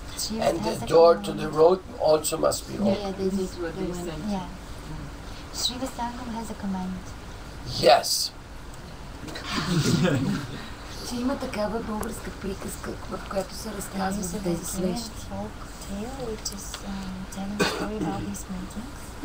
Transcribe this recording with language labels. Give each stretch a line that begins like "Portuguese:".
English: And the door to the road also must be open. Yeah, they need to open. Yeah. Srivastava has a command. Yes.
Bulgarian: Че има такава българска приказка, в която се разказва за тези срещи.
English: Folk tale, which is telling a story about these meetings.